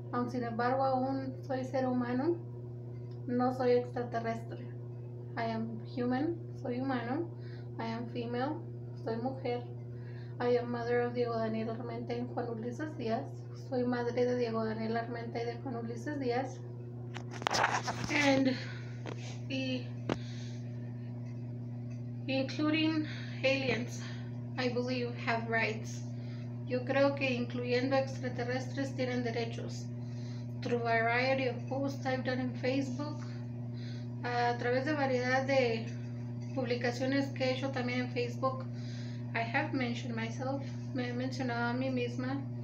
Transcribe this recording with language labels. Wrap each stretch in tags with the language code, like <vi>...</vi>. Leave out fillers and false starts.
<es>Sin embargo, aún soy ser humano, no soy extraterrestre.</es> <en>I am human,</en> <es>soy humano.</es> <en>I am female,</en> <es>soy mujer.</es> <en>I am mother of</en> <es>Diego Daniel Armenta y Juan Ulises Díaz. Soy madre de Diego Daniel Armenta y de Juan Ulises Díaz.</es> <en>And the including aliens, I believe, have rights.</en> <es>Yo creo que incluyendo extraterrestres tienen derechos.</es> <en>Through a variety of posts I've done in Facebook,</en> <es>a través de variedad de publicaciones que he hecho también en Facebook,</es> <en>I have mentioned myself,</en> <es>me he mencionado a mí misma.</es>